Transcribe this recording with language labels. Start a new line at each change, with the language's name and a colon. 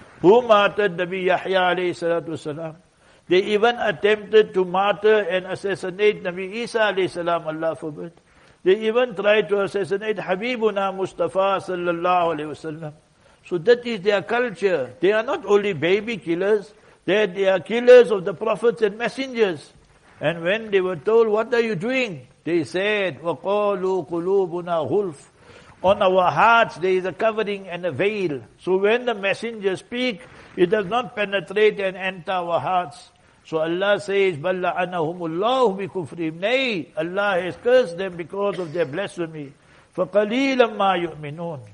English: Who martyred Nabi Yahya alayhi salatu salam? They even attempted to martyr and assassinate Nabi Isa alayhi salam, Allah forbid. They even tried to assassinate Habibuna Mustafa sallallahu alayhi wasallam. So that is their culture. They are not only baby killers, they are killers of the prophets and messengers. And when they were told, what are you doing? They said,
Arabic: وَقَالُوا قُلُوبُنَا غُلْفٌ.
English: On our hearts there is a covering and a veil. So when the messengers speak, it does not penetrate and enter our hearts. So Allah says,
Arabic: بَلَّعَنَهُمُ اللَّهُ بِكُفْرِهِمْ.
English: Nay, Allah has cursed them because of their blasphemy.
Arabic: فَقَلِيلًا مَا يُؤْمِنُونَ.